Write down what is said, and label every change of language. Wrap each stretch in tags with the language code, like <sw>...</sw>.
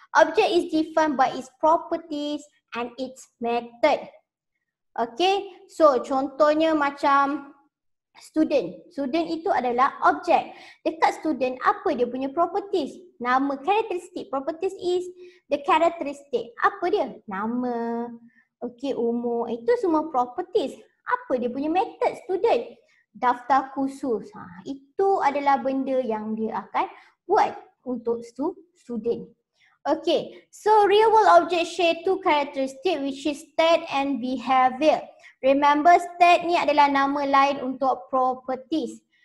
<en>Object is defined by its properties and its method.</en> <ms>Okay, so contohnya macam student. Student itu adalah object. Dekat student, apa dia punya properties? Nama, characteristic.</ms> <en>Properties is the characteristic.</en> <ms>Apa dia? Nama, okay, umur. Itu semua properties. Apa dia punya method student? Daftar khusus. Itu adalah benda yang dia akan buat untuk student.</ms> <en>Okay, so real world object share two characteristics which is state and behavior.</en> <ms>Remember state ni adalah nama lain untuk properties.</ms>